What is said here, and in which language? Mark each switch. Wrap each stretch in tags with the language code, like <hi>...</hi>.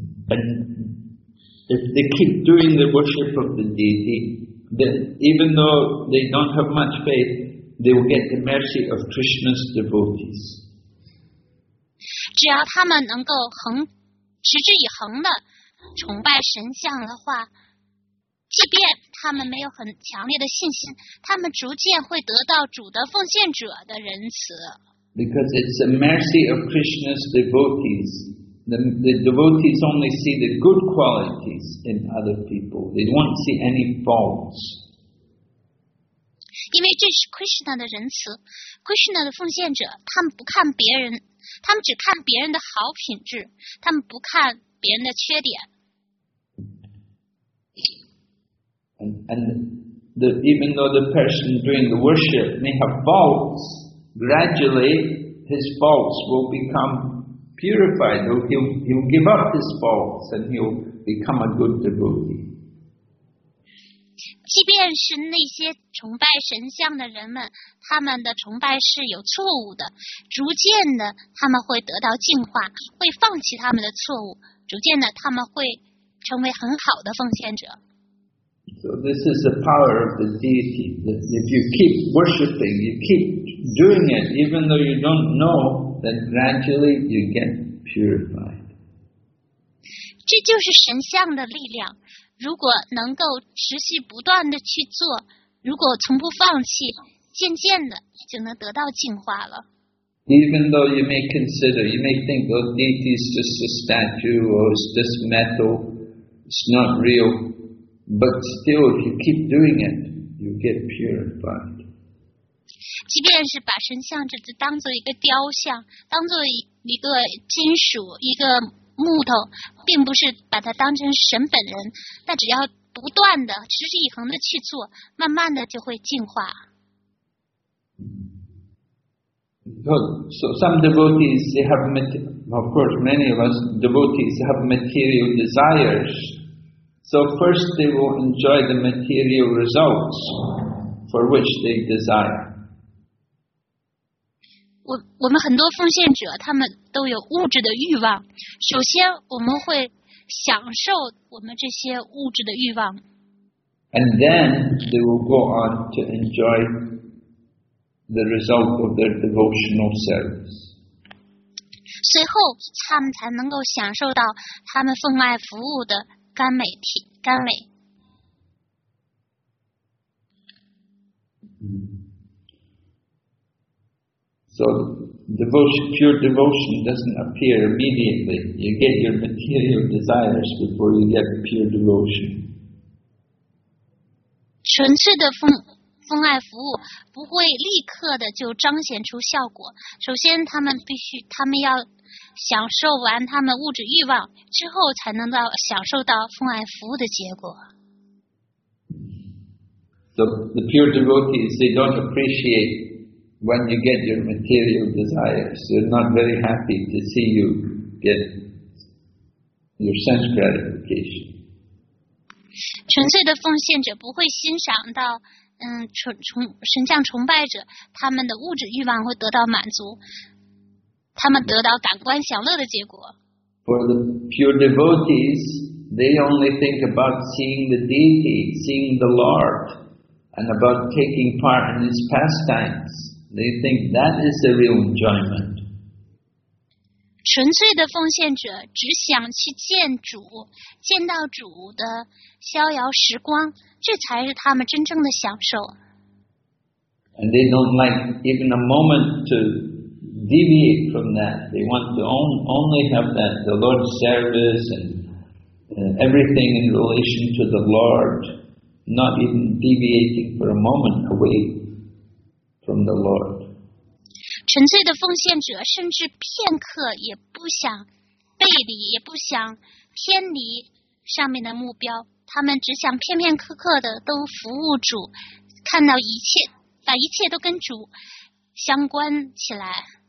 <en>And if they keep doing the worship of the deity, then even though they don't have much faith, they will get the mercy of Krishna's devotees.</en> <zh>只要他们能够持之以恒的崇拜神像的话，即便他们没有很强烈的信心，他们逐渐会得到主的奉献者的仁慈。</zh> <en>Because it's the mercy of Krishna's devotees. The devotees only see the good qualities in other people. They don't see any faults.</en> <zh>因为这是 Krishna 的仁慈 ，Krishna 的奉献者，他们不看别人，他们只看别人的好品质，他们不看别人的缺点。</zh> <en>And even though the person doing the worship may have faults, gradually his faults will become. Purified, he'll give up his faults and he'll become a good devotee.</en> <zh>即便是那些崇拜神像的人们，他们的崇拜是有错误的，逐渐的他们会得到净化，会放弃他们的错误，逐渐的他们会成为很好的奉献者。</zh> <en>So this is the power of the deity. If you keep worshiping, you keep doing it, even though you don't know. Then gradually you get purified.</en> <zh>这就是神像的力量。如果能够持续不断的去做，如果从不放弃，渐渐的就能得到净化了。</zh> <en>Even though you may consider, you may think, oh, deity is just a statue, or it's just metal, it's not real. But still, if you keep doing it, you get purified.</en> <zh>即便是把神像只是当作一个雕像，当作一个金属，一个木头，并不是把它当成神本人，但只要不断的持之以恒的去做，慢慢的就会进化。</zh> <en>So some devotees, they have, of course, many of us devotees have material desires. So first they will enjoy the material results for which they desire.</en> <zh>我们很多奉献者，他们都有物质的欲望。首先我们会享受我们这些物质的欲望。</zh> <en>And then they will go on to enjoy the result of their devotional service.</en> <zh>随后他们才能够享受到他们奉爱服务的甘美体甘美。</zh> <en>So devotion, pure devotion doesn't appear immediately. You get your material desires before you get pure devotion.</en> <zh>纯粹的奉爱服务不会立刻的就彰显出效果。首先他们要享受完他们物质欲望之后才能到享受到奉爱服务的结果。</zh> <en>The pure devotees, they don't appreciate when you get your material desires. They're not very happy to see you get your sense gratification.</en> <zh>纯粹的奉献者不会欣赏到神像崇拜者他们的物质欲望会得到满足，他们得到感官享乐的结果。</zh> <en>For the pure devotees, they only think about seeing the deity, seeing the Lord, and about taking part in his pastimes. They think that is the real enjoyment.</en> <zh>纯粹的奉献者只想去见主，见到主的逍遥时光，这才是他们真正的享受。</zh> <en>And they don't like even a moment to deviate from that. They want to only have that, the Lord's service and everything in relation to the Lord, not even deviating for a moment away from the Lord.</en> <zh>纯粹的奉献者甚至片刻也不想背离，也不想偏离上面的目标。他们只想片片刻刻的都服务主，看到一切，把一切都跟主相关起来。</zh>